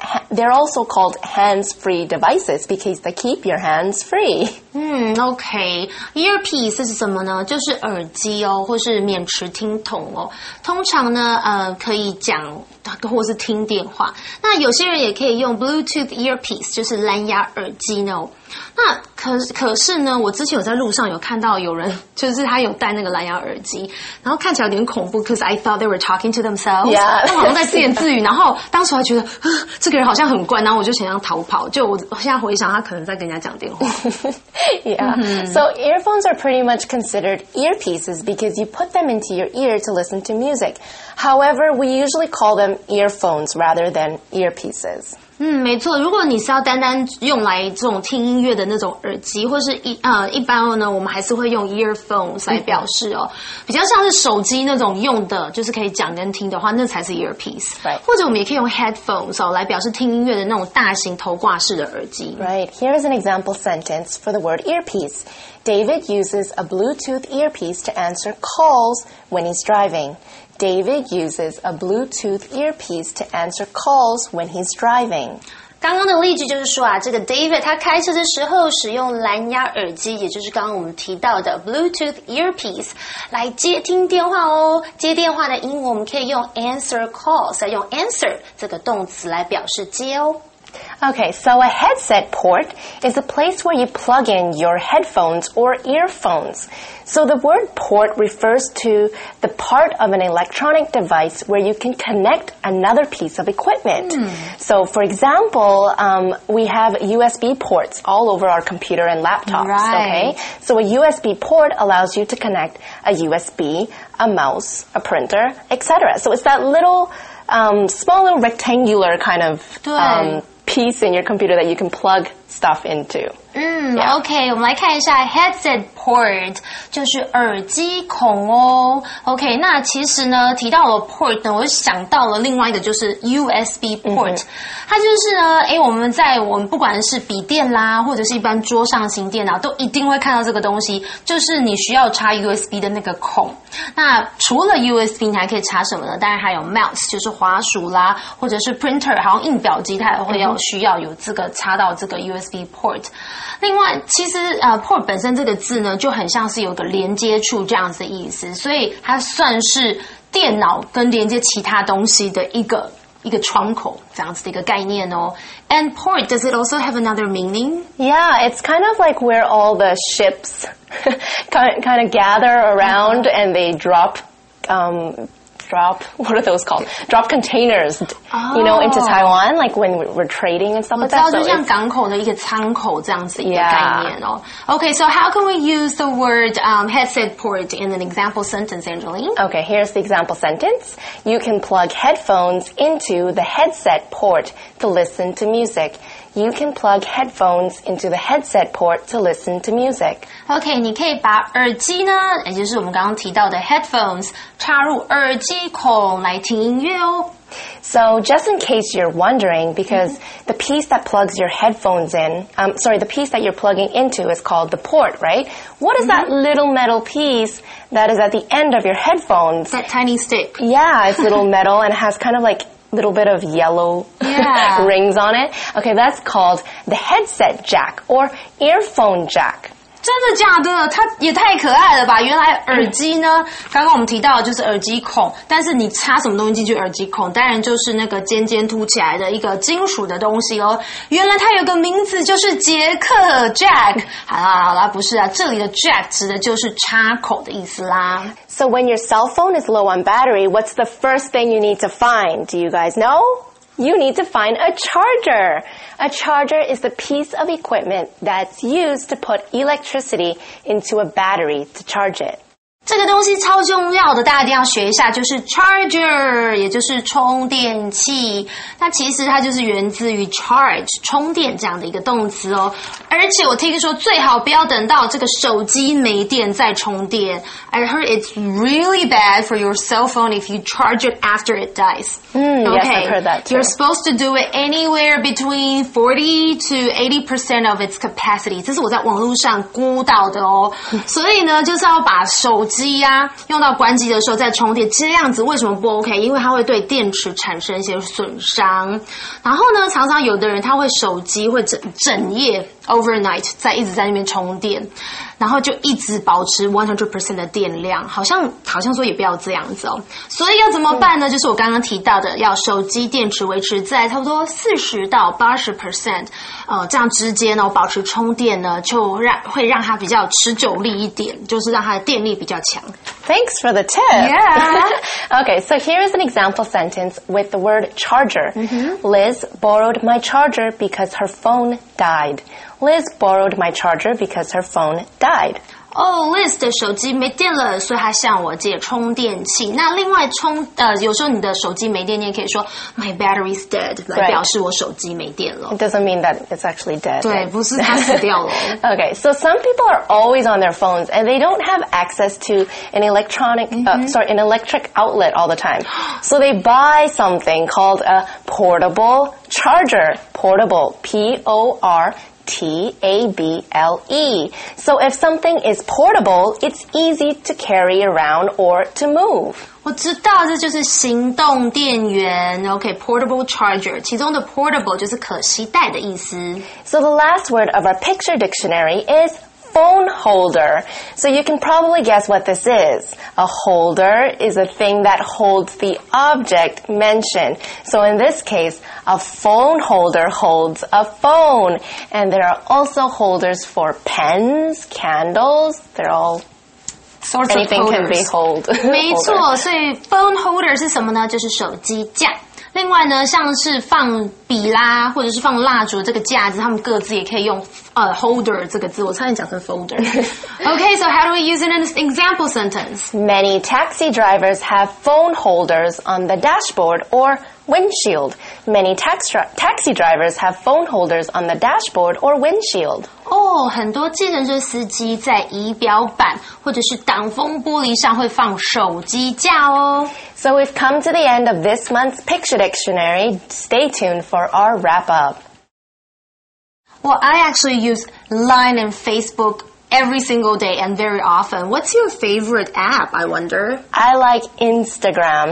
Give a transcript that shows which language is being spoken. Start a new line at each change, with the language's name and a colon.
English: They're also called hands-free devices because they keep your hands free.
Chinese: Okay, earpiece 是什么呢？就是耳机哦，或是免持听筒哦。通常呢，可以讲或是听电话。那有些人也可以用 Bluetooth earpiece， 就是蓝牙耳机呢。那可是呢，我之前有在路上有看到有人，就是他有戴那个蓝牙耳机，然后看起来有点恐怖 ，
English: because I thought they were talking to themselves，
Chinese: 他们好像在自言自语。然后当时还觉得，这个人好像很怪，然后我就想要逃跑。就我现在回想，他可能在跟人家讲电话。
English: So earphones are pretty much considered earpieces because you put them into your ear to listen to music. However, we usually call them earphones rather than earpieces.
Chinese: 没错如果你是要单单用来这种听音乐的那种耳机或是一般呢我们还是会用 earphones 来表示哦。比较像是手机那种用的就是可以讲跟听的话那才是 earpiece。
English: Right.
Chinese: 或者我们也可以用 headphones 哦来表示听音乐的那种大型头挂式的耳机。
English: Right, here is an example sentence for the word earpiece. David uses a Bluetooth earpiece to answer calls when he's driving. David uses a Bluetooth earpiece to answer calls when he's driving.
Chinese: 刚刚的例句就是说啊，这个 David 他开车的时候使用蓝牙耳机，也就是刚刚我们提到的 Bluetooth earpiece 来接听电话哦。接电话的英文我们可以用 answer calls， 来用 answer 这个动词来表示接哦。
English: Okay, so a headset port is a place where you plug in your headphones or earphones. So the word port refers to the part of an electronic device where you can connect another piece of equipment. So, for example, we have USB ports all over our computer and laptops, right. Okay? So a USB port allows you to connect a USB, a mouse, a printer, etc. So it's that little, small little rectangular kind of... piece in your computer that you can plug stuff into.
Chinese: OK, 我们来看一下 headset port, 就是耳机孔哦。 OK, 那其实呢提到了 port 呢我想到了另外一个就是 USB port。它就是呢诶我们在我们不管是笔电啦或者是一般桌上型电脑都一定会看到这个东西就是你需要插 USB 的那个孔。那除了 USB 你还可以插什么呢当然还有 mouse, 就是滑鼠啦或者是 printer, 好像印表机它也会要需要有这个插到这个 USB port。另外其实port 本身这个字呢就很像是有个连接处这样子的意思所以它算是电脑跟连接其他东西的一个窗口这样子的一个概念哦。
English: And port, does it also have another meaning? Yeah, it's kind of like where all the ships kind of gather around and they drop containers, you know, into Taiwan, like when we're trading and stuff like that.
Chinese: 我知道就像港口的一个仓口这样子一个概念哦。
English: Okay, so how can we use the word headset port in an example sentence, Angeline? Okay, here's the example sentence. You can plug headphones into the headset port to listen to music. You can plug headphones into the headset port to listen to music.
Chinese: Okay, 你可以把耳机呢，也就是我们刚刚提到的 headphones, 插入耳机孔来听音乐哦。
English: So, just in case you're wondering, because the piece that plugs your headphones in, the piece that you're plugging into is called the port, right? What is that little metal piece that is at the end of your headphones? That tiny stick. Yeah, it's little metal and has kind of like... little bit of yellow rings on it. Okay, that's called the headset jack or earphone jack.
Chinese: 真的假的？它也太可爱了吧！原来耳机呢，刚刚我们提到的就是耳机孔，但是你插什么东西进去耳机孔，当然就是那个尖尖凸起来的一个金属的东西哦。原来它有个名字就是杰克 Jack。好啦好啦，不是啊，这里的 Jack 指的就是插口的意思啦。
English: So when your cell phone is low on battery, what's the first thing you need to find? Do you guys know? You need to find a charger. A charger is the piece of equipment that's used to put electricity into a battery to charge it.
Chinese: 这个东西超重要的，大家一定要学一下，就是 charger, 也就是充电器。那其实它就是源自于 charge, 充电这样的一个动词哦。而且我听说最好不要等到这个手机没电再充电。
English: I heard it's really bad for your cell phone if you charge it after it dies. Okay, yes, I've heard that too. You're supposed to do it anywhere between 40 to 80% of its capacity.
Chinese: 这是我在网络上估到的哦。所以呢，就是要把手机啊用到关机的时候再充电。其实这样子为什么不 OK? 因为它会对电池产生一些损伤。然后呢，常常有的人他会手机会 整夜overnight 在一直在那边充电，然后就一直保持 100% 的电量，好像说也不要这样子哦。所以要怎么办呢？就是我刚刚提到的，要手机电池维持在差不多40到 80%、这样之间哦，保持充电呢，就会让它比较持久力一点，就是让它的电力比较强。
English: Thanks for the tip. Yeah. Okay, so here is an example sentence with the word charger. Liz borrowed my charger because her phone died. Liz borrowed my charger because her phone died.
Chinese: Oh, Liz 的手机没电了，所以她向我借充电器。那另外有时候你的手机没电，你也可以说
English: my battery's dead,
Chinese: 来表示我手机没电了。
English: It doesn't mean that it's actually dead.
Chinese: 对，不是它死掉了。
English: Okay, so some people are always on their phones and they don't have access to an electric outlet all the time. So they buy something called a portable charger. Portable, P-O-R-T-A-B-L-E. So if something is portable, it's easy to carry around or to move.
Chinese: 我知道这就是行动电源。
English: OK, portable charger.
Chinese: 其中的 portable 就是可携带的意思。
English: So the last word of our picture dictionary is... phone holder. So you can probably guess what this is. A holder is a thing that holds the object mentioned. So in this case, a phone holder holds a phone. And there are also holders for pens, candles, they're all... Anything can be hold.
Chinese: 没错，所以 phone holder 是什么呢？就是手机架。另外呢，像是放笔啦，或者是放蜡烛这个架子，他们各自也可以用holder 这个字。我差点讲成 folder.
English: Okay, so how do we use it in this example sentence? Many taxi drivers have phone holders on the dashboard or windshield. Many taxi drivers have phone holders on the dashboard or windshield.
Chinese: 哦、oh, 很多计程车司机在仪表板或者是挡风玻璃上会放手机架哦。
English: So we've come to the end of this month's Picture Dictionary. Stay tuned for our wrap-up. Well, I actually use Line and Facebook every single day and very often. What's your favorite app, I wonder? I like Instagram.